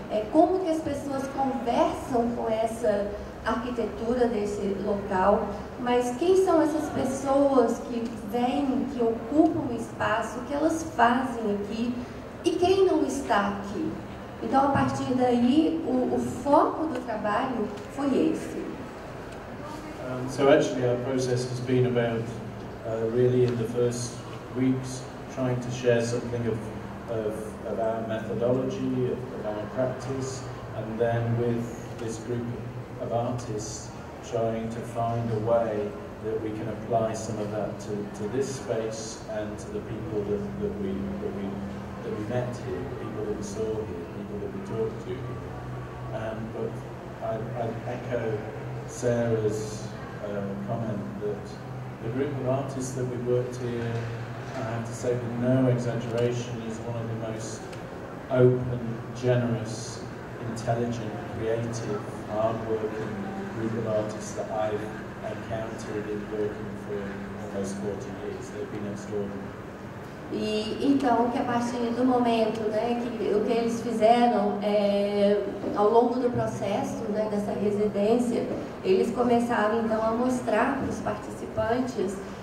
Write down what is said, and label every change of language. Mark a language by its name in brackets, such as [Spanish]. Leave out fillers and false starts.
[Portuguese] como que as pessoas conversam com essa arquitetura desse local, mas quem são essas pessoas que vêm, que ocupam o espaço, que elas fazem aqui e quem não está aqui? Então, a partir daí, o foco do trabalho foi esse. [English] So actually, our process has been about really in the first weeks trying to share something of our methodology, of our practice, and then with this group of artists trying to find a way that we can apply some of that to this space and to the people that we met here, the people that we saw here, the people that we talked to. But I echo Sarah's comment that the group of artists that we worked here, I have to say with no exaggeration, is one of the most open, generous, intelligent, creative, hard-working group of artists that I've encountered in working for almost 40 years. They've been extraordinary. [Portuguese] E então, que a partir do momento, né, que o que eles fizeram ao longo do processo, né, dessa residência, eles começaram então a mostrar para os participantes